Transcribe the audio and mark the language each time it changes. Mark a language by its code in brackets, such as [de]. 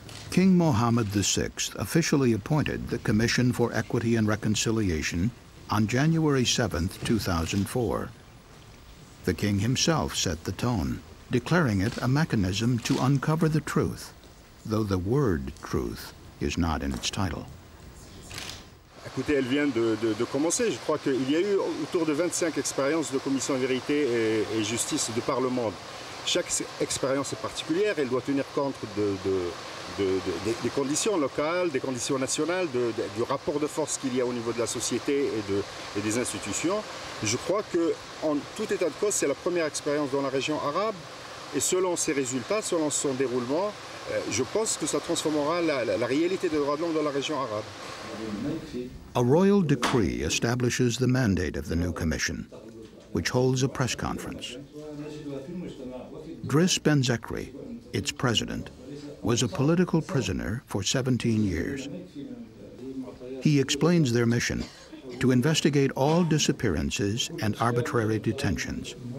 [en] King Mohammed VI officially appointed the Commission for Equity and Reconciliation on January 7th, 2004. The king himself set the tone, declaring it a mechanism to uncover the truth, though the word truth is not in its title. [fr] Écoutez, elle vient de commencer. Je crois qu'il y a eu autour de 25 expériences de commission de vérité et justice de par le monde. Chaque expérience est particulière, elle doit tenir compte des conditions locales, des conditions nationales, du rapport de force qu'il y a au niveau de la société et des institutions. Je crois que, en tout état de cause, c'est la première expérience dans la région arabe. Et selon ses résultats, selon son déroulement, Je pense que ça transformera la réalité des droits de l'homme dans la région arabe. [en] A royal decree establishes the mandate of the new commission, which holds a press conference. Driss Benzekri, its president, was a political prisoner for 17 years. He explains their mission to investigate all disappearances and arbitrary detentions.